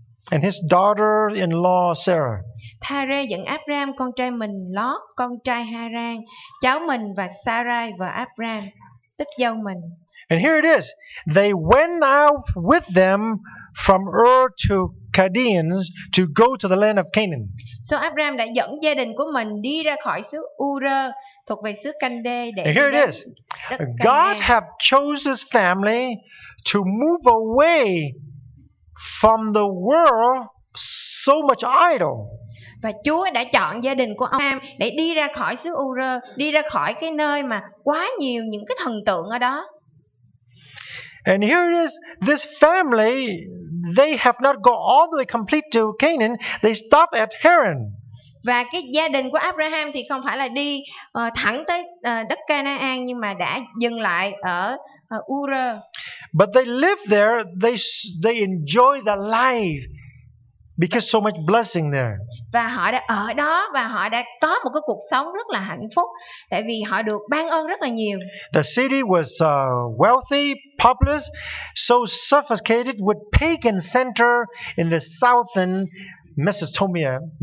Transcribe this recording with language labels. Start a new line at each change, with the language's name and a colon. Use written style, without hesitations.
English: And his daughter-in-law Sarah.
Vietnamese: Thare dẫn Abraham con trai mình Lot, con trai Haran, cháu mình và Sarai vợ Abraham, tức dâu mình.
English: And here it is. They went out with them from Ur to Chaldeans to go to the land of Canaan.
Vietnamese: So Abraham đã dẫn gia đình của mình đi ra khỏi xứ Ur thuộc về xứ Canđê để.
English: And here it is. God have chosen his family to move away from the world, so much idol.
Vietnamese: Và Chúa đã chọn gia đình của Abraham để đi ra khỏi xứ Ur, đi ra khỏi cái nơi mà quá nhiều những cái thần tượng ở đó.
English: And here it is, this family, they have not gone all the way complete to Canaan, they stop at Haran.
Vietnamese: Và cái gia đình của Abraham thì không phải là đi thẳng tới đất Canaan, nhưng mà đã dừng lại ở Ur.
English: But they live there, they enjoy the life because so much blessing there.
Vietnamese: Và họ đã ở đó và họ đã có một cái cuộc sống rất là hạnh phúc, tại vì họ được ban ơn rất là nhiều.
English: The city was wealthy, populous, so suffocated with pagan center in the southern Mesopotamia.